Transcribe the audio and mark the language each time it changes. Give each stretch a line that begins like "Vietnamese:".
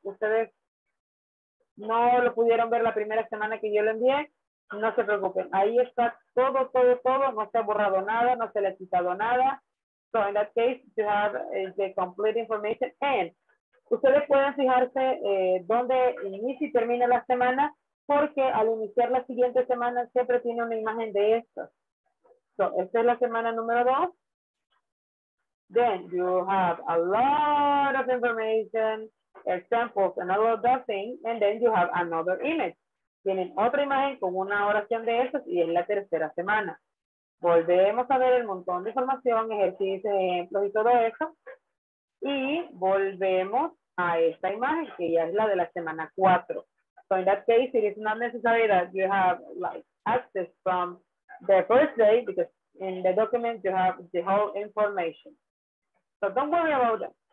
Spanish: Ustedes no lo pudieron ver la primera semana que yo lo envié. No se preocupen. Ahí está todo, todo, todo. No se ha borrado nada, no se le ha quitado nada.
English: So in that case, you have the complete information. And
Spanish: ustedes pueden fijarse dónde inicia y termina la semana, porque al iniciar la siguiente semana siempre tiene una imagen de esto. So, esta es la semana número 2.
English: Then you have a lot of information, examples, and all of that thing, and then you have another image.
Spanish: Tienen otra imagen con una oración de esas, y es la tercera semana. Volvemos a ver el montón de información, ejercicios, ejemplos, y todo eso. Y volvemos a esta imagen, que ya es la de la semana 4.
English: So in that case, it is not necessary that you have like access from the first day, because in the document you have the whole information. So don't worry about that.